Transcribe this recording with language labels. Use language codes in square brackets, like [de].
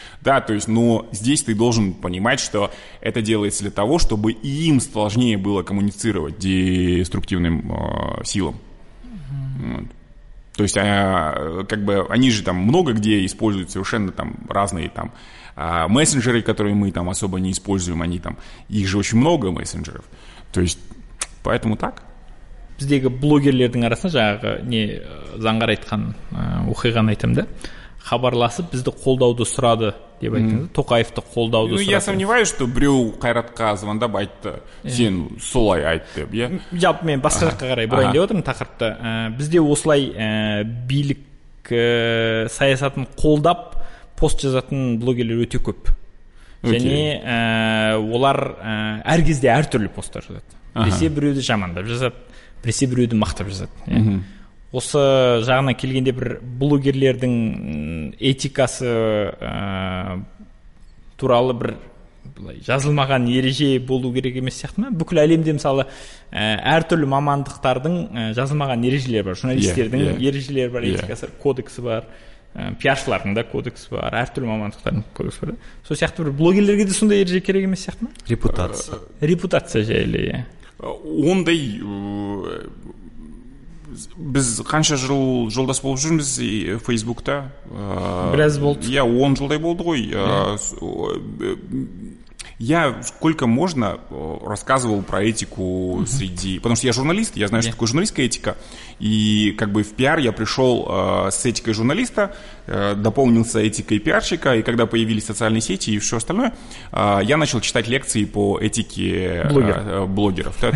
[ru] Да, то есть, но здесь ты должен понимать, что это делается для того, чтобы им сложнее было коммуницировать деструктивным силам. Вот. То есть, как бы, они же там много где используют совершенно там разные там... мессенджеры, которые мы там особо не используем, они там, их же очень много мессенджеров, то есть поэтому так. [kk] Біздегі блогерлердің арасында жаңағы не заңғар айтқан оқиғаны айтам да, хабарласып бізді қолдауды сұрады деп айтыңыз, Тоқаевты қолдауды сұрады. [ru] Я сомневаюсь, что [kk] біреу Қайратқа звондап айтты, сен солай айт деп, иә? Жалпы мен басқа жаққа қарай бұрайын деп отырмын тақырыпты. Бізде осылай билік саясатын қолдап пост жазатын блогерлер өте көп. [en] Okay. [kk] Және олар әр кезде әр түрлі посттар жазады. Біресе біреуді жамандап жазады, біресе біреуді мақтап жазады. Yeah. Uh-huh. Осы жағына келгенде бір блогерлердің этикасы туралы бір былай, жазылмаған ереже болу керек емес сияқты ма? Бүкіл әлемде мысалы әр түрлі мамандықтардың жазылмаған ережелері бар. Журналистердің ережелері бар, этикасы, кодексі бар. Пиаршылардың да кодексі бар, әртүрлі мамандықтардың кодексі бар. Сол сияқты бір блогерлерге де сондай ереже керек емес сияқты ма? Репутация. Репутация жайлы. Ондай біз қанша жыл жолдас болып жүрміз Фейсбукта? Біраз болды. Я 10 жылдай болды ғой. [ru] Я сколько можно рассказывал про этику среди... Потому что я журналист, я знаю, что такое журналистская этика. И как бы в пиар я пришел с этикой журналиста, дополнился этикой пиарщика, и когда появились социальные сети и все остальное, я начал читать лекции по этике блогеров. Да?